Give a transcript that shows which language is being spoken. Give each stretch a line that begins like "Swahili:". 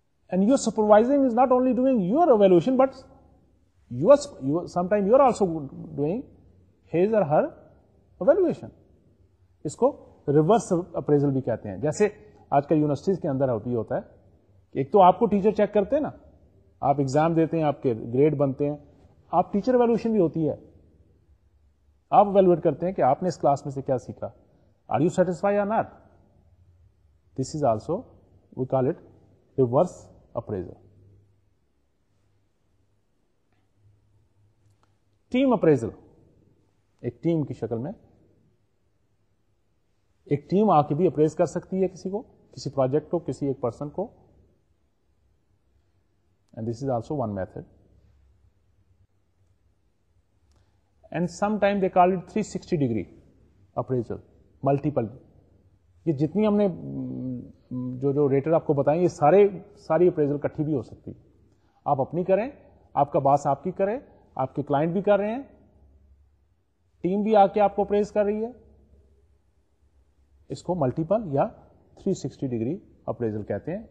English: And your supervising is not only doing your evaluation, but sometimes you are also doing his or her evaluation.
Urdu: اس کو reverse appraisal بھی کہتے ہیں. جیسے آج کل یونیورسٹیز کے اندر ہوتی ہوتا ہے کہ ایک تو آپ کو ٹیچر چیک کرتے ہیں نا, آپ ایگزام دیتے ہیں, آپ کے گریڈ بنتے ہیں, آپ ٹیچر ایویلویشن بھی ہوتی ہے. آپ ایویلویٹ کرتے ہیں کہ آپ نے اس کلاس میں سے کیا سیکھا,
English: Are you satisfy or not. This is also we call it reverse appraisal.
Urdu: Team appraisal, ایک ٹیم کی شکل میں ایک ٹیم آ کے بھی اپریز کر سکتی ہے کسی کو, کسی پروجیکٹ کو, کسی ایک پرسن کو.
English: And this is also one method. And sometimes they call it 360 degree appraisal, multiple.
Urdu: یہ جتنی ہم نے جو ریٹر آپ کو بتائیں یہ ساری اپریزل کٹھی بھی ہو سکتی. آپ اپنی کریں, آپ کا باس آپ کی کرے, آپ کے کلائنٹ بھی کر رہے ہیں, ٹیم بھی آ کے آپ کو اپریز کر رہی ہے. اس کو ملٹیپل یا 360 ڈگری اپریزل کہتے ہیں.